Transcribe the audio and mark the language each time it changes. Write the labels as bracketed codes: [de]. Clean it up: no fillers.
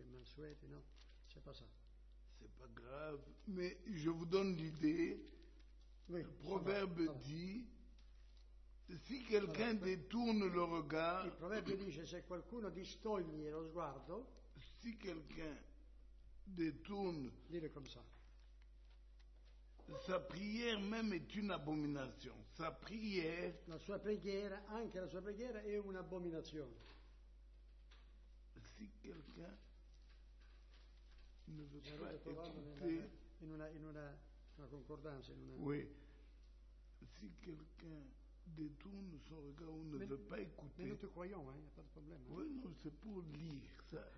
[fr] C'est pas grave, mais je vous donne l'idée. Oui, le proverbe dit. Si quelqu'un détourne le regard. [it] Il proverbe dice se qualcuno distoglie lo sguardo. [fr] Si quelqu'un détourne. Dis-le comme ça. Sa prière même est une abomination. Sa prière. [it] La sua preghiera, anche la sua preghiera è un'abominazione. [fr] Si quelqu'un ne veut pas écouter. [it] In una concordanza. [fr] Oui. Si quelqu'un détourne son regard ou ne veut pas écouter. Mais nous te croyons, il n'y a pas de problème. Oui, non, c'est pour lire ça.